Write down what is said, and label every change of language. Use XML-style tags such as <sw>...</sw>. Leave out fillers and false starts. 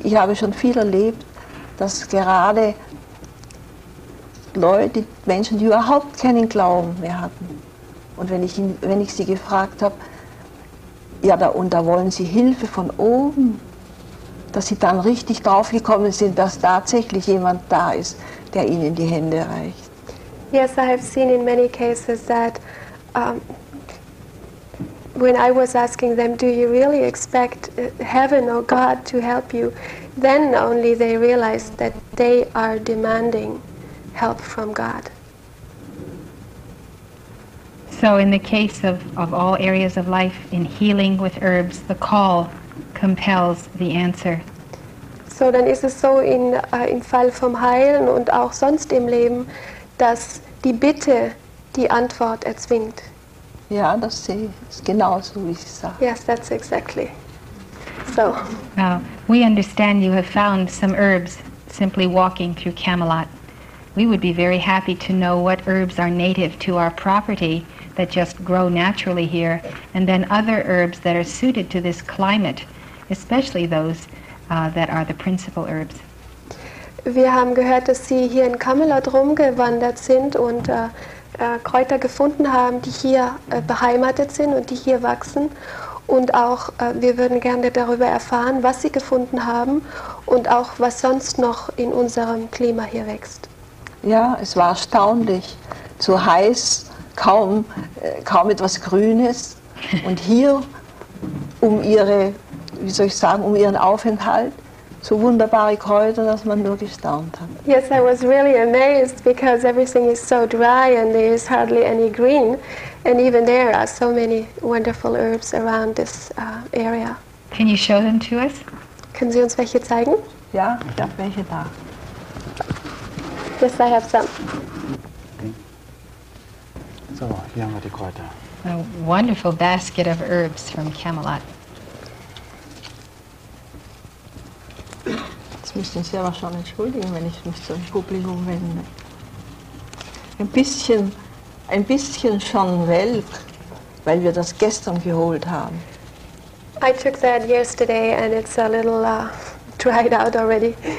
<de>Ich habe schon viel erlebt, dass gerade Leute, Menschen, die überhaupt keinen Glauben mehr hatten, und wenn ich sie gefragt habe, ja, da wollen sie Hilfe von oben, dass sie dann richtig draufgekommen sind, dass tatsächlich jemand da ist, der ihnen die Hände reicht.</de> <en>Yes, I have seen in many cases that when I was asking them, do you really expect heaven or God to help you? Then only they realized that they are demanding help from God. So in the case of all areas of life, in healing with herbs, the call compels the answer.</en> <de>So, dann ist es so in, im Fall vom Heilen und auch sonst im Leben, dass die Bitte die Antwort erzwingt. Ja, das sehe ich genauso, wie ich sage.</de> <en>Yes, that's exactly. So. Now, we understand you have found some herbs simply walking through Camelot. We would be very happy to know what herbs are native to our property that just grow naturally here, and then other herbs that are suited to this climate, especially those that are the principal herbs.</en> <de>Wir haben gehört, dass Sie hier in Camelot rumgewandert sind und Kräuter gefunden haben, die hier beheimatet sind und die hier wachsen. Und auch, wir würden gerne darüber erfahren, was Sie gefunden haben und auch, was sonst noch in unserem Klima hier wächst. Ja, es war erstaunlich. Zu heiß, kaum etwas Grünes. Und hier, um Ihre, wie soll ich sagen, um Ihren Aufenthalt, so wunderbare Kräuter, dass man nur gestaunt hat.</de> <en>Yes, I was really amazed because everything is so dry and there is hardly any green. And even there are so many wonderful herbs around this area. Can you show them to us?</en> <de>Können Sie uns welche zeigen? Ja, ich habe welche da.</de> <en>Yes, I have some.</en> <de>Okay. So, hier haben wir die Kräuter.</de> <en>A wonderful basket of herbs from Camelot.</en> <de>Jetzt müssen Sie aber schon entschuldigen, wenn ich mich zum Publikum wende. Ein bisschen schon welk, weil wir das gestern geholt haben.</de> <en>I took that yesterday and it's a little dried out already.</en>